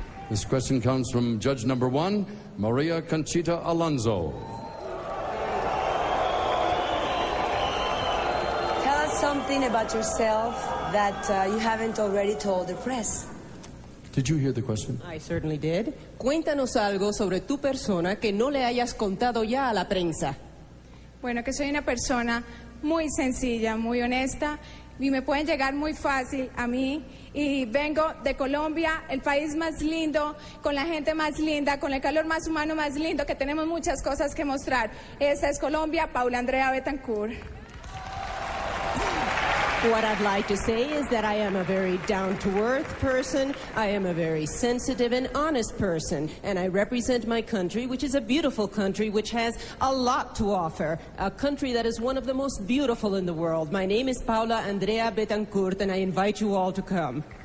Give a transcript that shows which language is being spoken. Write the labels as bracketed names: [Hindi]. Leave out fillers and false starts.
[English] This question comes from judge number 1, Maria Conchita Alonso. Tell us something about yourself that you haven't already told the press. Did you hear the question? I certainly did. [Spanish] Cuéntanos algo sobre tu persona que no le hayas contado ya a la prensa. Bueno, que soy una persona muy sencilla, muy honesta, y me pueden llegar muy fácil a mí. Y vengo de Colombia, el país más lindo, con la gente más linda, con el calor más humano más lindo, que tenemos muchas cosas que mostrar. Esa es Colombia, Paula Andrea Betancourt. [English] What I'd like to say is that I am a very down-to-earth person. I am a very sensitive and honest person. And I represent my country, which is a beautiful country, which has a lot to offer. A country that is one of the most beautiful in the world. My name is Paula Andrea Betancourt, and I invite you all to come.